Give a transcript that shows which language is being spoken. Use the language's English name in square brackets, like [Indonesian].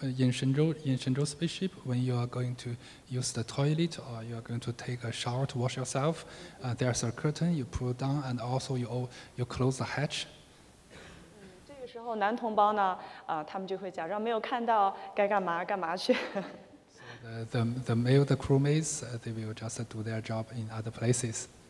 [English] Shenzhou spaceship, when you are going to use the toilet or you are going to take a shower to wash yourself, there's a curtain you pull down and also you close the hatch. [Chinese] 这个时候男同胞呢，他们就会假装没有看到，该干嘛干嘛去。 [English] So the male, the crewmates, they will just do their job in other places.